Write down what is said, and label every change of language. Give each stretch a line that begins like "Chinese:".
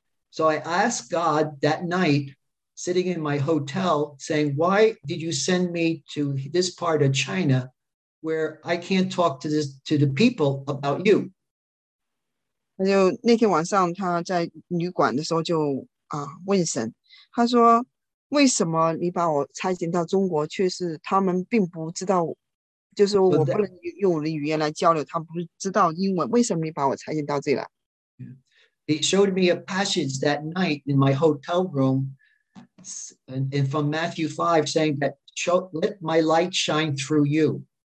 English: So I asked God that night, sitting in my hotel, saying, why did you send me to this part of China where I can't talk to this, to the people about you?
Chinese: 那天晚上他在旅馆的时候就问神，他说， 为什么你把我拆进到中国却是他们并不知道，就是我不能用语言来交流，他们不知道英文，为什么你把我拆进到这里来？
English: He showed me a passage that night in my hotel room, and from Matthew 5, saying that let my light shine through you.